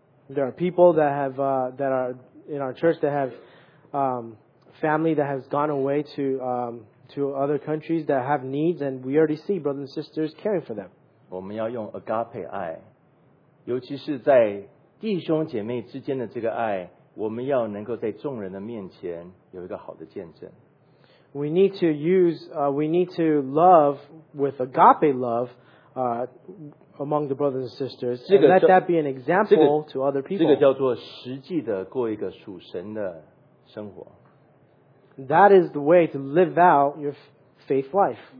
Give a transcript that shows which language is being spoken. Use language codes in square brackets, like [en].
[en] There are people that have that are in our church that have family that has gone away to other countries that have needs, and we already see brothers and sisters caring for them. [zh] 我们要用 agape 爱，尤其是在弟兄姐妹之间的这个爱，我们要能够在众人的面前有一个好的见证。We [en] need to use we need to love with agape love among the brothers and sisters, and let that be an example to other people. [zh] 这个叫做实际的过一个属神的生活。 [en] That is the way to live out your faith life.